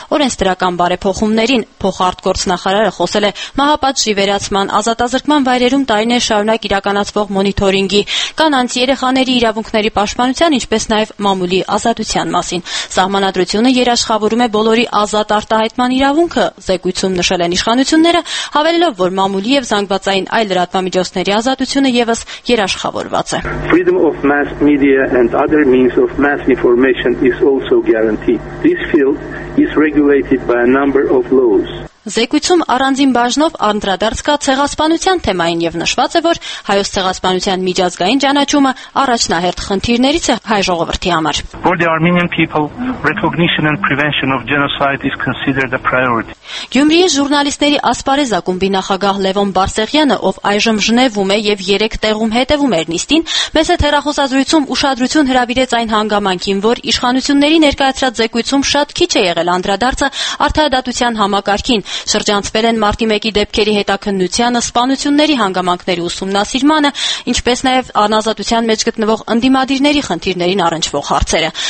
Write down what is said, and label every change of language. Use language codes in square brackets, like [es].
[hy] օրենսդրական բարեփոխումներին։ Փոխ արտգործնախարարը խոսել է մահապատժի վերացման, ազատազրկման վայրերում տարիներ շարունակ իրականացվող մոնիթորինգի, կանանց երեխաների իրավունքների պաշտպանության, ինչպես նաև մամուլի ազատության մասին։ Սահմանադրությունը երաշխավորում է բոլորի ազատ արտահայտման իրավունքը, զեկույցում նշել են իշխանությունները, հավելելով, որ մամուլի և զանգվածային այլ լրատվամիջոցների ազատությունը ևս երաշխավորված է։ [en] Freedom of mass media and other means of mass information is also guaranteed. This field is regulated by a number of laws. [hy] Զեկույցում առանձին բաժնով անդրադարձ կա ցեղասպանության թեմային և նշված է, որ հայոց ցեղասպանության միջազգային ճանաչումը առաջնահերթ խնդիրներից է հայ ժողովրդի համար։ [en] For the Armenian people, recognition and prevention of genocide is considered a priority. [hy] Գյումրիի ժուրնալիստների ասպարեզ ակումբի նախագահ Լևոն Բարսեղյանը, ով այժմ Ժնևում է և 3 տեղում հետևում էր նիստին, մեզ հետ հեռախոսազրույցում ուշադրություն հրավիրեց այն հանգամանքին, որ իշխանությունների ներկայացրած զեկույցում շատ քիչ է եղել անդրադարձը արտահայտության համակարգին։ Շրջանցվել են մարտի 1-ի դեպքերի հետաքննությանը, սպանությունների հանգամանքների ուսումնասիրմանը, ինչպես նաև անազատության մեջ գտնվող ընդդիմադիրների խնդիրներին առնչվող հարցերը։